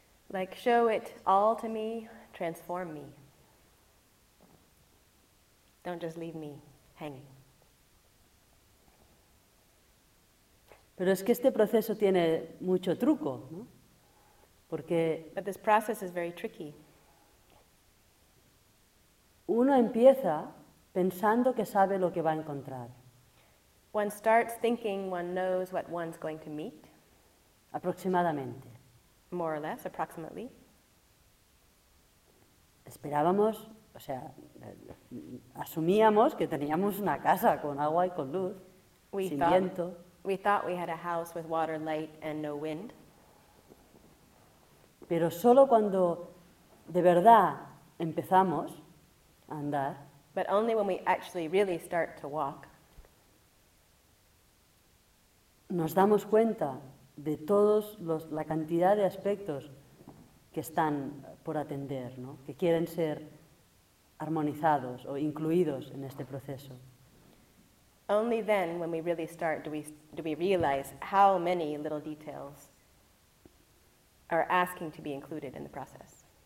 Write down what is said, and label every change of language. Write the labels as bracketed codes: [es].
[en] Like, show it all to me, transform me. Don't just leave me hanging. [es] Pero es que este proceso tiene mucho truco, ¿no? Porque. [en] But this process is very tricky. [es] Uno empieza pensando que sabe lo que va a encontrar. [en] One starts thinking one knows what one's going to meet. [es] Aproximadamente. [en] More or less, approximately. [es] Esperábamos, o sea, asumíamos que teníamos una casa con agua y con luz, viento. [en] We thought we had a house with water, light, and no wind. [es] Pero solo cuando de verdad empezamos a andar. [en] But only when we actually really start to walk. [es] Nos damos cuenta de todos los, la cantidad de aspectos que están por atender, ¿no? Que quieren ser armonizados o incluidos en este proceso. [en] Only then, when we really start, do we realize how many little details are asking to be included in the process.